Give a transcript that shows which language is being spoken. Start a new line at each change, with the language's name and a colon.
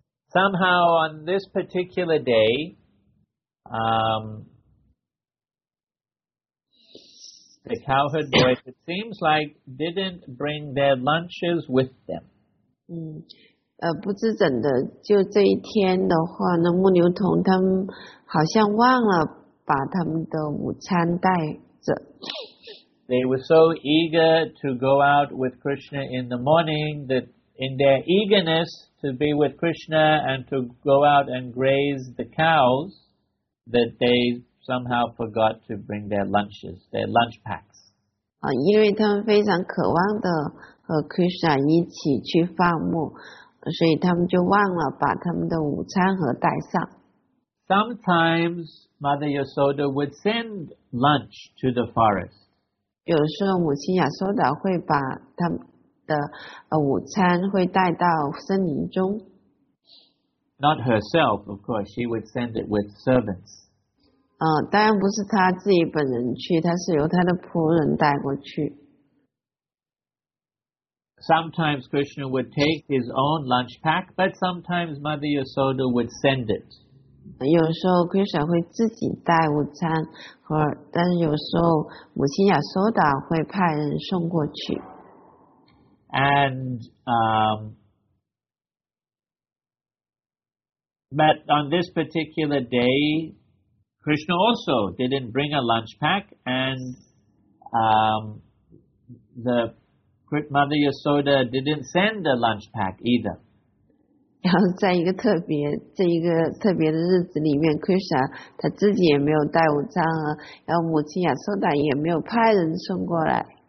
English: Somehow on this particular day, the cowherd boys, it seems like, didn't bring their lunches with them.
Chinese: 不知怎的，就这一天的话呢，牧牛童他们好像忘了把他们的午餐带着。
English: They were so eager to go out with Krishna in the morning that in their eagerness to be with Krishna and to go out and graze the cows, that they somehow forgot to bring their lunches, their lunch packs.
Chinese: 因为他们非常渴望的和 Krishna 一起去放牧，所以他们就忘了把他们的午餐盒带上。
English: Sometimes Mother Yasoda would send lunch to the forest.
Chinese: 有时候母亲亚苏达会把他们的午餐会带到森林中。
English: Not herself, of course. She would send it with servants.
Chinese: 当然不是她自己本人去，她是由她的仆人带过去。
English: Sometimes Krishna would take his own lunch pack, but sometimes Mother Yasoda would send it.
Chinese: 有时候 Krishna 会自己带午餐，但是有时候母亲亚苏达会派人送过去。
English: And, but on this particular day, Krishna also didn't bring a lunch pack, and, the Mother Yasoda didn't send a lunch pack either.
Chinese: 然后在一个特别，这一个特别的日子里面 ，Krishna 他自己也没有带午餐盒，然后母亲亚苏达也没有派人送过来。